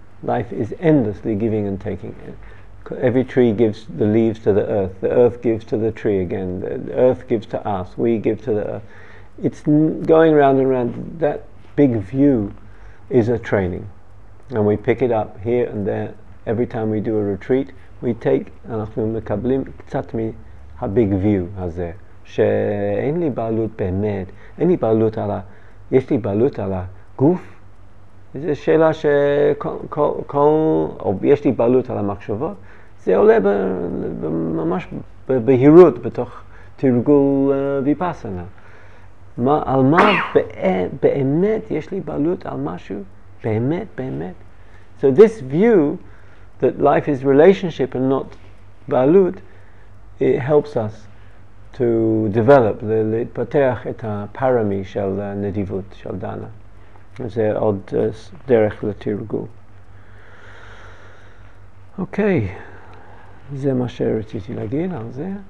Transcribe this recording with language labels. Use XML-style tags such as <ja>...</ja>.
<en>Life is endlessly giving and taking. Every tree gives the leaves to the earth gives to the tree again, the earth gives to us, we give to the earth. It's going round and round. That big view is a training. And we pick it up here and there. Every time we do a retreat, we take,</en> <he>אנחנו מקבלים קצת מהביג view הזה. שאין לי בעלות באמת, אין לי בעלות על ה... יש לי בעלות על הגוף? זו שאלה שכל... או יש לי בעלות על המחשבות? זה עולה ממש בבהירות בתוך תרגול ויפאסנה. על מה באמת יש לי בעלות על משהו? באמת, באמת.</he> <en>So this view that life is relationship and not בעלות, it helps us. To develop,</en> <he>להתפתח את הפרמי של הנדיבות, של דנה. זה עוד דרך לתרגול. אוקיי, זה מה שרציתי להגיד על זה.</he>